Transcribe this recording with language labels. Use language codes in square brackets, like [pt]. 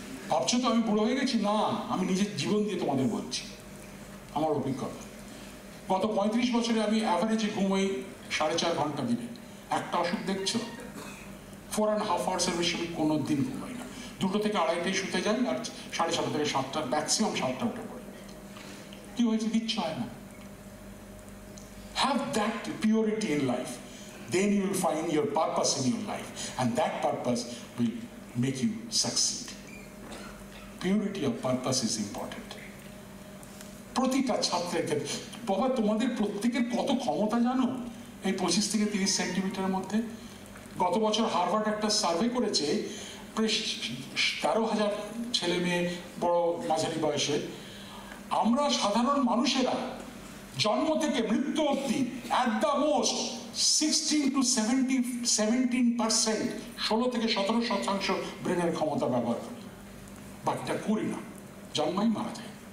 [bn] ভাবছো তো আমি বুড়ো হয়ে গেছি, না আমি নিজের জীবন দিয়ে তোমাদের বলছি আমার অভিজ্ঞতা, গত 35 বছরে আমি অ্যাভারেজে ঘুমোই 4.5 ঘন্টা দিনে, একটা অসুখ দেখছো, 4.5 আওয়ার্সের বেশি আমি কোনো দিন ঘুমাই না, 2 থেকে 2:30 শুতে যাই, আর 6:30 থেকে 7 ম্যাক্সিমাম 7 উঠে পড়ি, কি হয়েছে কিচ্ছু হয় না। [en] Have that purity in life, then you will find your purpose in your life, and that purpose will make you succeed. Purity of purpose is important. [bn] প্রতিটা ছাত্রের ক্ষেত্রে বাবা তোমাদের প্রত্যেকের কত ক্ষমতা জানো এই 25-30 সেন্টিমিটারের মধ্যে। গত বছর হার্ভার্ড একটা সার্ভে করেছে, 13,000 ছেলে মেয়ে বড় মাঝারি বয়সে, আমরা সাধারণ মানুষেরা জন্ম থেকে মৃত্যু অবধি অ্যাট দ্য মোস্ট 16-17% 16-17% ব্রেনের ক্ষমতা ব্যবহার করি, বাকিটা করি না, জন্মাই মারা যায়।